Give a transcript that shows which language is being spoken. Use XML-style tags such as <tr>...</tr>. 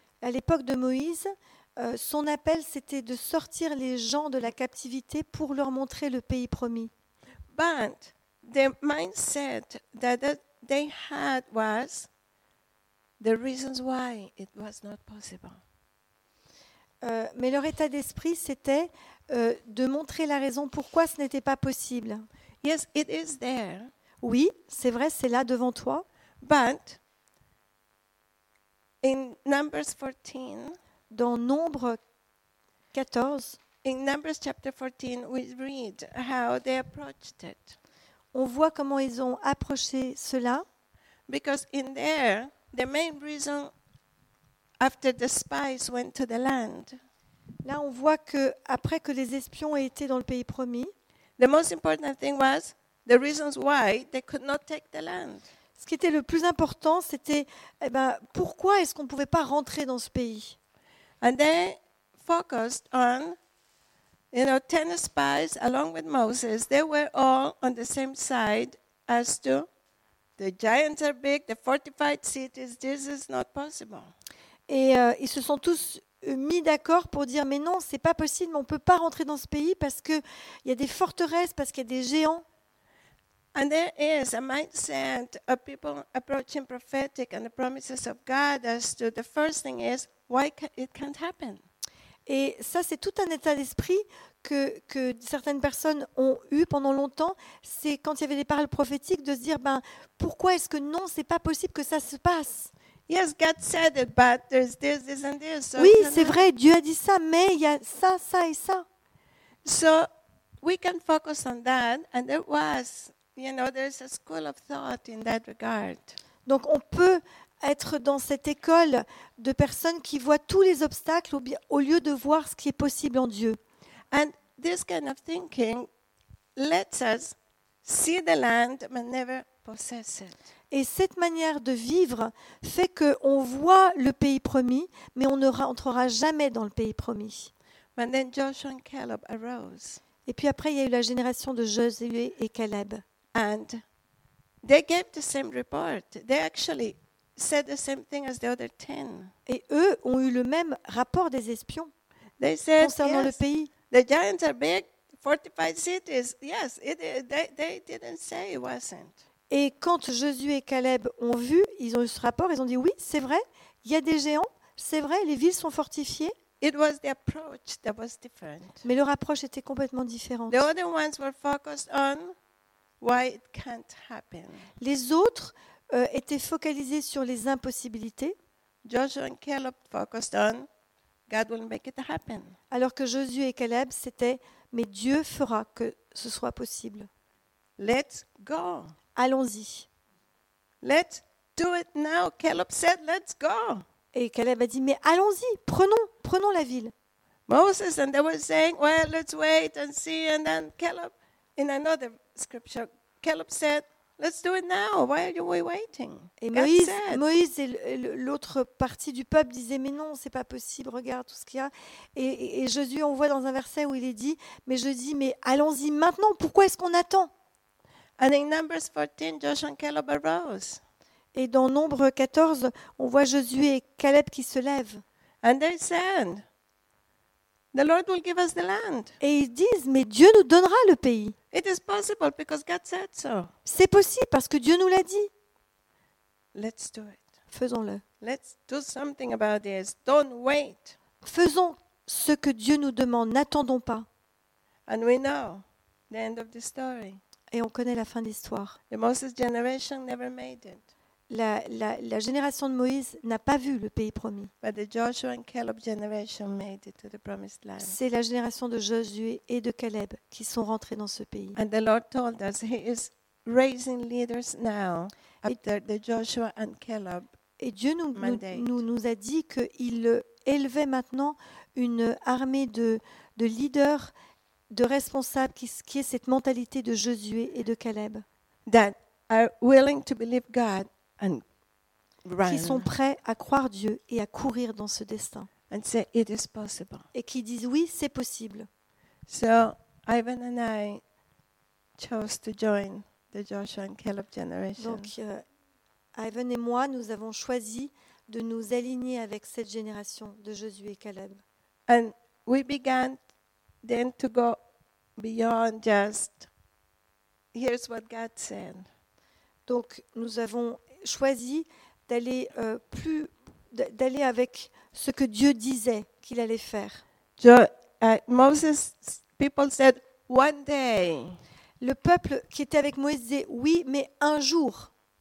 <fr>À l'époque de Moïse, son appel c'était de sortir les gens de la captivité pour leur montrer le pays promis.</fr> <en>But the mindset that they had was the reasons why it was not possible.</en> <fr>Mais leur état d'esprit c'était de montrer la raison pourquoi ce n'était pas possible.</fr> <en>Yes, it is there.</en> <fr>Oui, c'est vrai, c'est là devant toi.</fr> <en>But in Numbers 14,</en> <fr>dans Nombre 14,</fr> <en>in Numbers chapter 14, we read how they approached it.</en> <fr>On voit comment ils ont approché cela.</fr> <en>Because in there, the main reason after the spies went to the land.</en> <fr>Là, on voit que après que les espions aient été dans le pays promis,</fr> <en>the most important thing was the reasons why they could not take the land.</en> <fr>Ce qui était le plus important, c'était pourquoi est-ce qu'on ne pouvait pas rentrer dans ce pays?</fr> <en>And they focused on 10 spies along with Moses, they were all on the same side as to the giants are big, the fortified cities, this is not possible.</en> <fr>Et ils se sont tous mis d'accord pour dire mais non, c'est pas possible, on peut pas rentrer dans ce pays parce que il y a des forteresses, parce qu'il y a des géants.</fr> <en>And there is a mindset of people approaching prophetic and the promises of God as to the first thing is why it can't happen.</en> <fr>Et ça, c'est tout un état d'esprit que certaines personnes ont eu pendant longtemps. C'est quand il y avait des paroles prophétiques de se dire, ben, pourquoi est-ce que non, c'est pas possible que ça se passe.</fr> <en>Yes, God said it, but there's this and this. So</en> <fr>oui, c'est vrai, Dieu a dit ça, mais il y a ça, ça et ça.</fr> <en>So we can focus on that, and there was, you know, there's a school of thought in that regard.</en> <fr>Donc on peut être dans cette école de personnes qui voient tous les obstacles au lieu de voir ce qui est possible en Dieu.</fr> <en>And this kind of thinking lets us see the land but never possess it.</en> <fr>Et cette manière de vivre fait que on voit le pays promis, mais on ne rentrera jamais dans le pays promis.</fr> <en>But then Joshua and Caleb arose.</en> <fr>Et puis après, il y a eu la génération de Josué et Caleb.</fr> <en>And they gave the same report. They actually said the same thing as the other 10.</en> <fr>Et eux ont eu le même rapport des espions.</fr> <en>They said,</en> <fr>concernant</fr> <en>yes,</en> <fr>le pays.</fr> <en>The giants are big, fortified cities. Yes, they didn't say it wasn't.</en> <fr>Et quand Josué et Caleb ont vu, ils ont eu ce rapport, ils ont dit oui, c'est vrai, il y a des géants, c'est vrai, les villes sont fortifiées.</fr> <en>It was the approach that was different.</en> <fr>Mais leur approche était complètement différente.</fr> <en>The other ones were focused on why it can't happen.</en> <fr>Les autres étaient focalisés sur les impossibilités.</fr> <en>Joshua and Caleb focused on God will make it happen.</en> <fr>Alors que Josué et Caleb, c'était mais Dieu fera que ce soit possible.</fr> <en>Let's go.</en> <fr>Allons-y.</fr> <en>Let's do it now. Caleb said, let's go.</en> <fr>Et Caleb a dit, mais allons-y, prenons la ville.</fr> <en>Moses and they were saying, well, let's wait and see. And then Caleb, in another scripture, Caleb said, let's do it now. Why are we waiting?</en> <fr>Et Moïse et l'autre partie du peuple disaient, mais non, c'est pas possible, regarde tout ce qu'il y a. Et Jésus, on voit dans un verset où il est dit, mais je dis, mais allons-y maintenant, pourquoi est-ce qu'on attend?</fr> <en>And in Numbers 14, Joshua and Caleb arose.</en> <fr>Et dans Nombre 14, on voit Josué et Caleb qui se lèvent.</fr> <en>And they said, the Lord will give us the land.</en> <fr>Et ils disent, mais Dieu nous donnera le pays.</fr> <en>It is possible because God said so.</en> <fr>C'est possible parce que Dieu nous l'a dit.</fr> <en>Let's do it.</en> <fr>Faisons-le.</fr> <en>Let's do something about this. Don't wait.</en> <fr>Faisons ce que Dieu nous demande. N'attendons pas.</fr> <en>And we know the end of the story.</en> <fr>Et on connaît la fin de l'histoire.</fr> <en>The Moses generation never made it.</en> <fr>La génération de Moïse n'a pas vu le pays promis.</fr> <en>But the Joshua and Caleb generation made it to the promised land.</en> <fr>C'est la génération de Josué et de Caleb qui sont rentrés dans ce pays.</fr> <en>And the Lord told us he is raising leaders now after the Joshua and Caleb.</en> <fr>Et Dieu nous a dit que il élevait maintenant une armée de leaders, de responsables qui est cette mentalité de Josué et de Caleb.</fr> <en>That are willing to believe God. And</en> <fr>qui sont prêts à croire Dieu et à courir dans ce destin.</fr> <en>And say, it is possible.</en> <fr>Et qui disent oui, c'est possible.</fr> <en>So, Ivan and I chose to join the Joshua and Caleb generation.</en> <fr>Donc, Ivan et moi, nous avons choisi de nous aligner avec cette génération de Josué et Caleb.</fr> <en>And we began then to go beyond just here's what God said.</en> <fr>Donc, nous avons choisi d'aller plus d'aller avec ce que Dieu disait qu'il allait faire.</fr> <en>Moses people said one day.</en> <fr>Le peuple qui était avec Moïse disait oui, mais un jour.</fr>